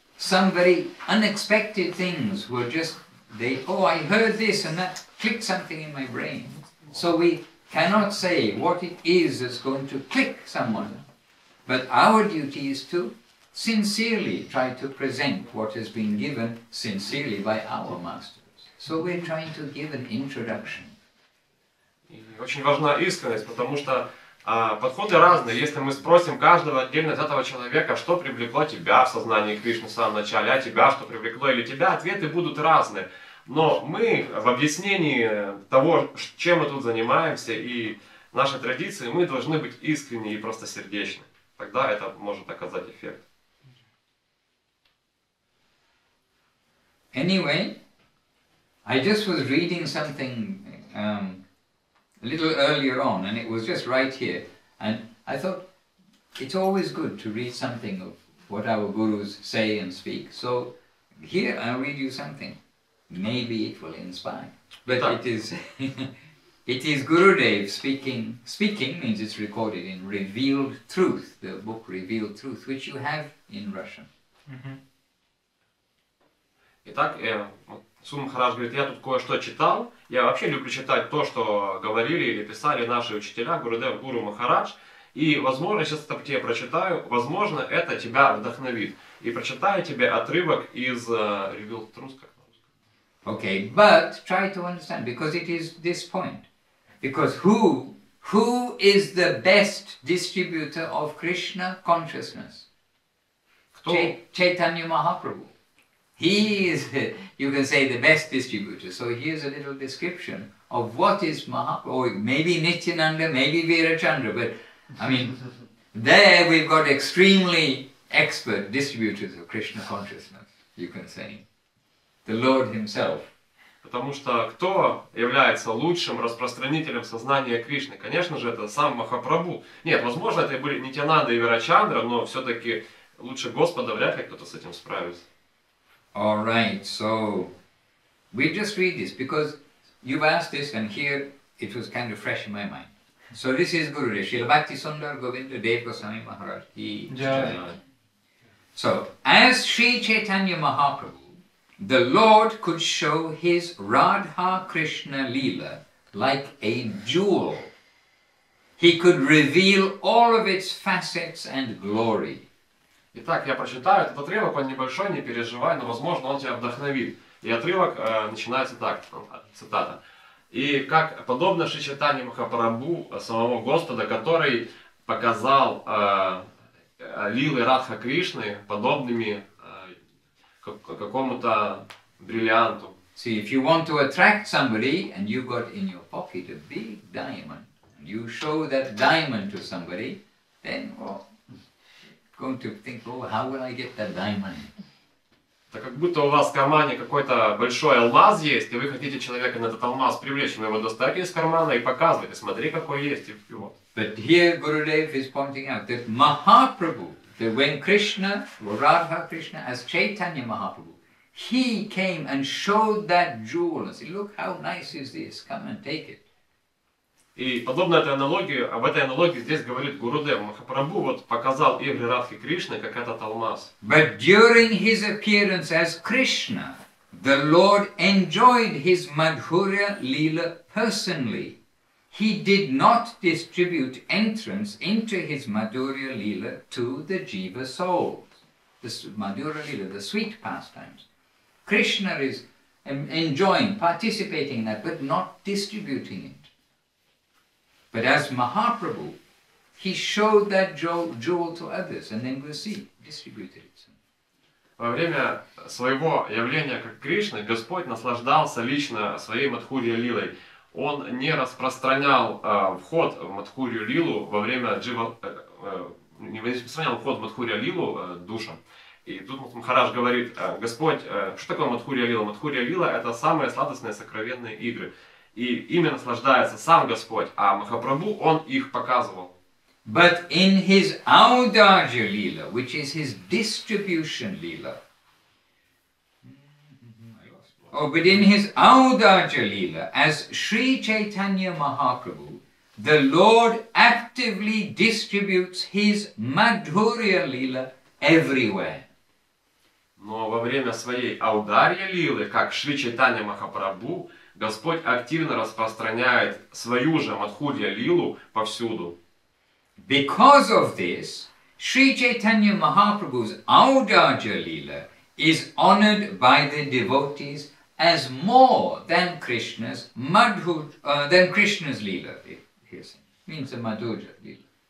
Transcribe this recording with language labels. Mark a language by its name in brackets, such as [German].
[English] Some very unexpected things were just, I heard this and that clicked something in my brain. So we cannot say what it is that's going to click someone. But our duty is to sincerely try to present what has been given sincerely by our masters. So we're trying to give an introduction. [Russian] Очень важна искренность, потому что подходы разные. Если мы спросим каждого отдельно взятого человека, что привлекло тебя в сознании Кришны в самом начале, а тебя что привлекло или тебя, ответы будут разные. Но мы в объяснении того, чем мы тут занимаемся и нашей традиции, мы должны быть искренни и простосердечны. Тогда это может оказать эффект. [English] Anyway, I just was reading something a little earlier on, and it was just right here. And I thought, it's always good to read something of what our gurus say and speak. So, here I'll read you something. Maybe it will inspire. But it is Gurudev speaking. Speaking means it's recorded in Revealed Truth, the book Revealed Truth, which you have in Russian. [Russian] Итак, Сум Махарадж говорит, я тут кое-что читал, я вообще люблю читать то, что говорили или писали наши учителя, Гурудев, Гуру Махарадж, и, возможно, сейчас это тебе прочитаю, возможно, это тебя вдохновит. И прочитаю тебе отрывок из Revealed Truth, как можно сказать. [English] Okay, but try to understand, because it is this point. Because who is the best distributor of Krishna consciousness? [Russian] Кто? [English] Chaitanya Mahaprabhu. He is, you can say, the best distributor. So here's a little description of what is Mahaprabhu, or maybe Nityananda, maybe Virachandra, but I mean, there we've got extremely expert distributors of Krishna consciousness, you can say. The Lord Himself. [Russian] Потому что кто является лучшим распространителем сознания Кришны? Конечно же, это сам Махапрабху. Нет, возможно, это были Нитянанда и Вирачандра, но все-таки лучше Господа вряд ли кто-то с этим справится. [English] All right, so we just read this because you've asked this and here it was kind of fresh in my mind. So this is Guru Srila Bhakti Sundar Govinda Dev Goswami Maharaj Ki. So as Sri Chaitanya Mahaprabhu, the Lord could show his Radha Krishna Leela like a jewel. He could reveal all of its facets and glory. [Russian] Итак, я прочитаю этот отрывок, он небольшой, не переживай, но, возможно, он тебя вдохновит. И отрывок начинается так, цитата. И как подобно Шри Чайтанья Махапрабху, самого Господа, который показал лилы Радха Кришны подобными какому-то бриллианту. [English] See, if you want to attract somebody, and you got in your pocket a big diamond, and you show that diamond to somebody, then, well, going to think, oh, how will I get that diamond? [Russian] Так как будто у вас в кармане какой-то большой алмаз есть, и вы хотите человека на этот алмаз привлечь, вы его достаете из кармана и показываете, смотри, какой есть, и вот. [English] But here Gurudev is pointing out that Mahaprabhu, that when Krishna, Radha Krishna, as Chaitanya Mahaprabhu, he came and showed that jewel and said, look how nice is this, come and take it. [Russian] И подобно этой аналогии, об этой аналогии здесь говорит Гурудев. Махапрабху вот показал Игре Радхи Кришны, как этот алмаз. [English] But during his appearance as Krishna, the Lord enjoyed his Madhurya Leela personally. He did not distribute entrance into his Madhurya Leela to the Jiva souls. The Madhurya Leela, the sweet pastimes. Krishna is enjoying, participating in that, but not distributing it. But as Mahaprabhu, he showed that jewel to others, and then we'll see, distributed it. [Russian] Во время своего явления как Кришна, Господь наслаждался лично своей Мадхурья Лилой. Он не распространял вход в Мадхурью Лилу во время джива, не распространял вход в Мадхурья Лилу душам. И тут Махарадж говорит, Господь, что такое Мадхурья Лила? Мадхурья Лила – это самые сладостные сокровенные игры. И ими наслаждается сам Господь, а Махапрабху, он их показывал. [English] But in his Audarja Leela, which is his distribution Leela, but in his Audarja Leela, as Sri Chaitanya Mahaprabhu, the Lord actively distributes his Madhurya Leela everywhere. [Russian] Но во время своей Audarja Leela, как Шри Чайтанья Махапрабху, Господь активно распространяет свою же Мадхурья Лилу повсюду. [English] Because of this, Sri Chaitanya Mahaprabhu's Audarja Leela is honored by the devotees as more than Krishna's Leela. Yes, means the Madhurya Leela.